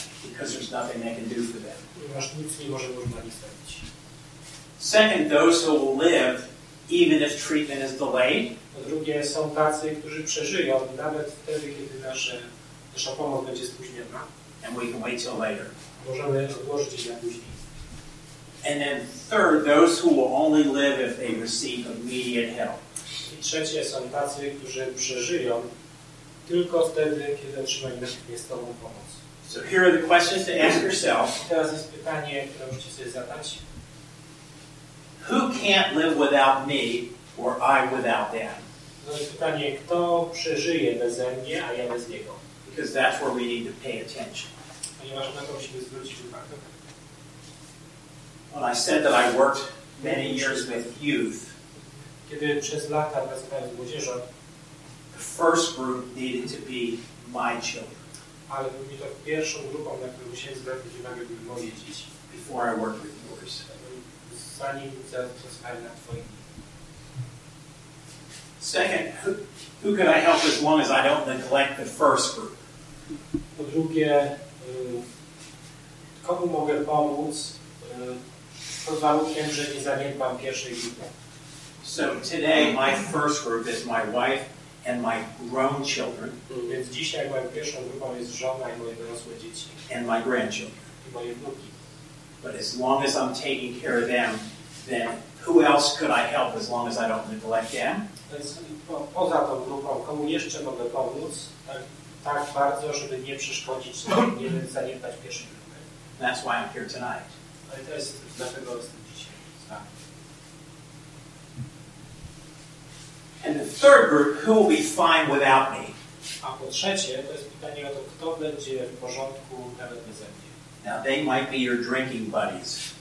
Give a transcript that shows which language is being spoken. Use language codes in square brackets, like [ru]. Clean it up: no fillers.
[en] Because there's nothing they can do for them. [pl] Nic nie możemy już na nich zrobić. [en] Second, those who will live, even if treatment is delayed. [pl] Po drugie, są tacy, którzy przeżyją, nawet wtedy, kiedy nasza pomoc będzie spóźniona. [en] And we can wait till later. [pl] Możemy odłożyć ją na później. [en] And then third, those who will only live if they receive immediate help. [pl] I trzecie, są tacy, którzy przeżyją. Tylko wtedy, kiedy otrzymamy natychmiastową pomoc. [en] So here are the questions to ask yourself. [pl] Teraz jest pytanie, które musicie sobie zadać. [en] Who can't live without me or I without them? [pl] To jest pytanie, kto przeżyje bez mnie, a ja bez niego? [en] Because that's where we need to pay attention. [pl] Ponieważ na to musimy zwrócić uwagę. [en] When I said that I worked many years with youth. [pl] Kiedy przez lata pracowałem z młodzieżą. [en] The first group needed to be my children. [pl] Ale pierwszą grupą, na którą musiałem zwrócić uwagę, były moje dzieci. [en] Before I worked with yours. [pl] Zanim zapracowałem na twoim. [en] Second, who can I help as long as I don't neglect the first group? [pl] Po drugie, komu mogę pomóc pod warunkiem, że nie zaniedbam pierwszej grupy? [en] So today, my first group is my wife. And my grown children. [pl] Więc dzisiaj moją pierwszą grupą jest żona i moje dorosłe dzieci. [en] And my grandchildren. [pl] I moje wnuki. [en] But as long as I'm taking care of them, then who else could I help as long as I don't neglect them? [pl] Więc poza tą grupą, komu jeszcze mogę pomóc, tak bardzo, żeby nie przeszkodzić, nie zaniedbać pierwszej grupy. [en] That's why I'm here tonight. [pl] Ale to jest dlatego jestem dzisiaj. [en] And the third group, who will be fine without me? [pl] A po trzecie, to jest pytanie o to, kto będzie w porządku nawet bez mnie. [en] Now they might be your drinking buddies.